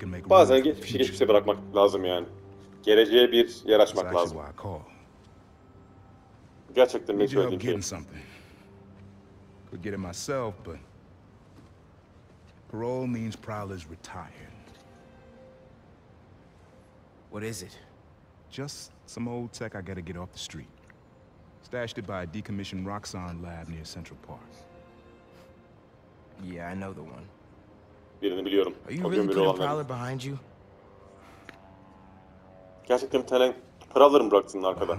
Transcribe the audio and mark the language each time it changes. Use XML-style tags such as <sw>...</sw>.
<tr>Bazen geçmişi geçmişe bırakmak lazım yani. Geleceğe bir yer açmak lazım. Gerçekten ne söylediğim ki.</tr> <en>Could get it myself, but parole means Prowler's retired. What is it? Just some old tech I gotta get off the street. Stashed it by a decommissioned Roxxon lab near Central Park. Yeah, I know the one.</en> <tr>Birini biliyorum.</tr> <en>Are you really putting Prowler behind you?</en> <tr>Gerçekten bir tane Prowler'ı mı bıraktın arkada?</tr>